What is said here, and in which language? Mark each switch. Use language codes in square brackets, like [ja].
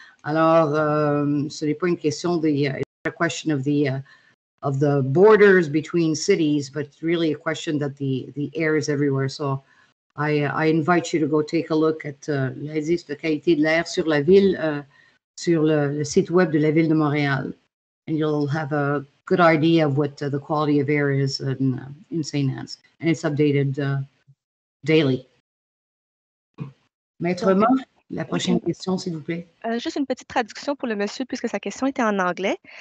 [fr] Alors, ce n'est pas une question [en] a question of the borders between cities, but really a question that the air is everywhere. So, I invite you to go take a look at [fr] l'indice de qualité de l'air sur la ville, sur le site web de la Ville de Montréal. [en] And you'll have a good idea of what the quality of air is in St. Anne's. And it's updated daily. [fr] Maître Ma, la prochaine question, s'il vous plaît. Juste une petite traduction pour le monsieur, puisque sa question était en anglais.